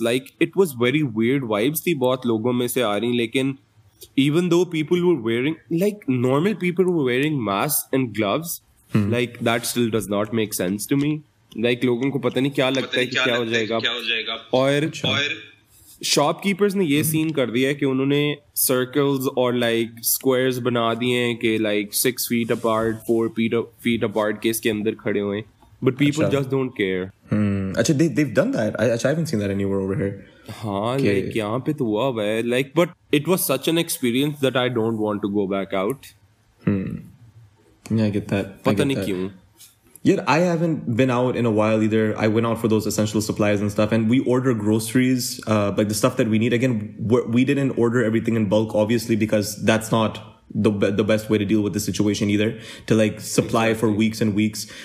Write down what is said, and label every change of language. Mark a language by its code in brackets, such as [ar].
[en] Like, it was very weird vibes [ur] thi bahut logon mein se aa rahi, lekin [en] even though people were wearing, like, normal people were wearing masks and gloves, like, that still does not make sense to me. Like, [ur] logon ko pata nahi kya lagta hai ki kya ho jayega. [en] Aur [ur] shop keepers نے یہ سین کر دیا ہے کہ انہوں نے circles اور like squares بنا دیے ہیں کہ like [en] 6 feet apart, 4 feet apart [ur] کے اس کے اندر کھڑے ہوئے ہیں. [en] But people just don't care. They've done that. I haven't seen that anywhere over here. ہاں like یہاں پہ تو ہوا ہے like, but it was such an experience that I don't want to go back out. Yeah, I get that. [ur] پتہ نہیں کیوں. [en] Yet I haven't been out in a while either. I went out for those essential supplies and stuff, and we order groceries, like the stuff that we need. Again, we didn't order everything in bulk, obviously, because that's not the best way to deal with the situation either, to like supply exactly. for weeks and weeks.